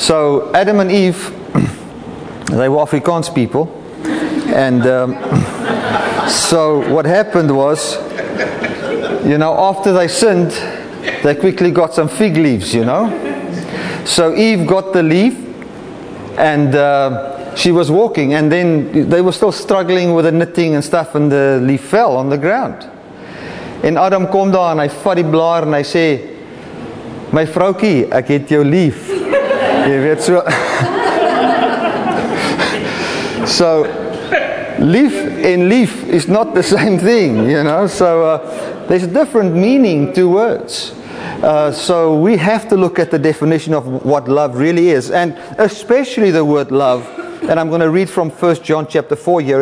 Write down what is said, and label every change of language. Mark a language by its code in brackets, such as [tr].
[en] So Adam and Eve, they were Afrikaans people, and so what happened was, you know, after they sinned, they quickly got some fig leaves, you know. So Eve got the leaf, and she was walking, and then they were still struggling with the knitting and stuff, and the leaf fell on the ground. [af] En Adam kom daar, en hy vat die blaar, en hy sê, "My vroukie, ek het jou lief." Jy weet so... [en] So, lief and lief is not the same thing, you know. So, there's a different meaning to words. So, we have to look at the definition of what love really is. And especially the word love. And I'm going to read from 1 John chapter 4 here.